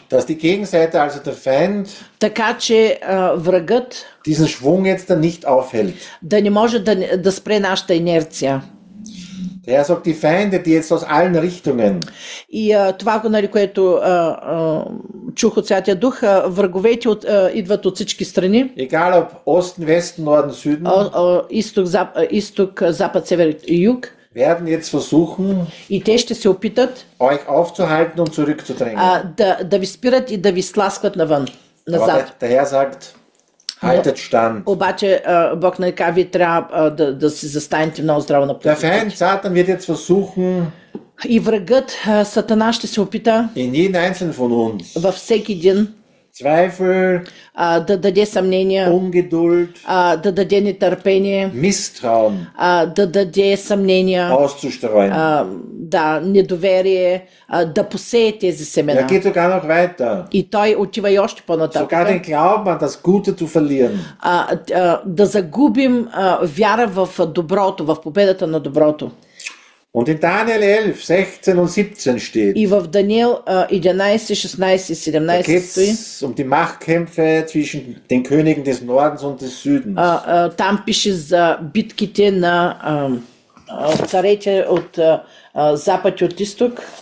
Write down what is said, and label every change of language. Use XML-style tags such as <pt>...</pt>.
<de>Dass die Gegenseite, also der Feind,</de> <bg>така че врагът</bg> <de>diesen Schwung jetzt nicht aufhält.</de> <bg>Да не може да спре нашата инерция.</bg> <de>Er sagt, die Feinde, die jetzt aus allen Richtungen.</de> <bg>И това, нали, което чух от Святия Дух, враговете от, идват от всички страни.</bg> <de>Egal ob Osten, Westen, Norden, Süden.</de> <bg>Исток, запад, север, юг.</bg> <de>Werden jetzt versuchen,</de> <bg>и те ще се опитат</bg> <de>euch aufzuhalten und zurückzudrängen.</de> <bg>Да ви спират и да ви сласкват навън, назад.</bg> <de>Aber der Herr sagt, haltet stand.</de> <bg>Обаче Бог не казва, вие трябва да се застанете много здраво на пътя.</bg> <de>Der Feind Satan wird jetzt versuchen,</de> <bg>и врагът Сатана ще се опита</bg> <de>in jeden einzelnen von uns,</de> <bg>във всеки един</bg> <de>Zweifel,</de> <bg>да даде съмнение,</bg> <de>ungeduld,</de> <bg>да даде нетърпение,</bg> <de>misstrauen,</de> <bg>да даде съмнение,</bg> <de>auszustreuen,</de> <bg>да недоверие, да посее тези семена.</bg> <de>Er geht sogar noch weiter.</de> <bg>И той отива и още по-нататък.</bg> <de>Sogar den Glauben an das Gute zu verlieren.</de> <bg>Да загубим вяра в доброто, в победата на доброто.</bg> <de>Und in Daniel 11, 16 und 17 steht.</de> <bg>И в Даниил 11, 16 и 17 стои.</bg> <de>Um die Machtkämpfe zwischen den Königen des Nordens und des Südens.</de> <bg>Там пише за битките на царете от запад и от изток.</bg>